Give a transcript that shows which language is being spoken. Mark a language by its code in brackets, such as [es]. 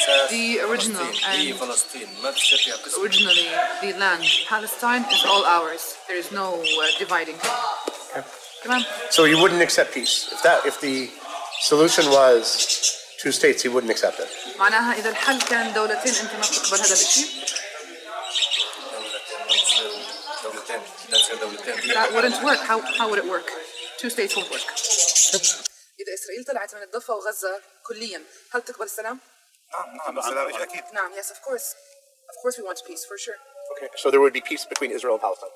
[en] The original and originally the land, Palestine, is all ours. There is no dividing. Okay. Come on. So you wouldn't accept peace if that if the solution was. two states he wouldn't accept it. [ar] معناها اذا الحل كان دولتين انت ما تقبل هذا الشيء. دولتين. [en] That wouldn't work. How would it work? two states won't work. [ar] اذا اسرائيل طلعت من الضفه وغزه كليا هل تقبل السلام؟ نعم السلام اكيد. [en] نعم yes of course we want peace for sure. okay so there would be peace between Israel and Palestine.